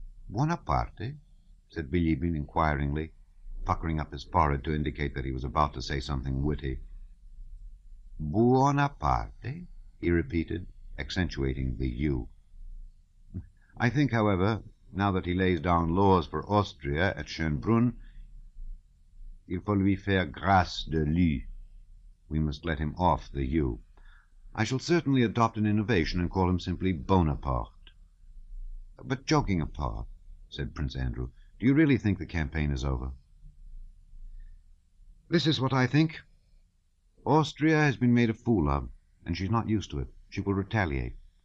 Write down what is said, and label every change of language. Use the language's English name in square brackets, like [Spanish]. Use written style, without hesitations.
[English] Buonaparte, said Bilibin inquiringly, puckering up his forehead to indicate that he was about to say something witty. Buonaparte, he repeated, accentuating the U. I think, however, now that he lays down laws for Austria at Schönbrunn, [French] il faut lui faire grâce de lui. [English] We must let him off the U. I shall certainly adopt an innovation and call him simply Bonaparte. But joking apart, said Prince Andrew, do you really think the campaign is over? This is what I think. Austria has been made a fool of, and she's not used to it. She will retaliate.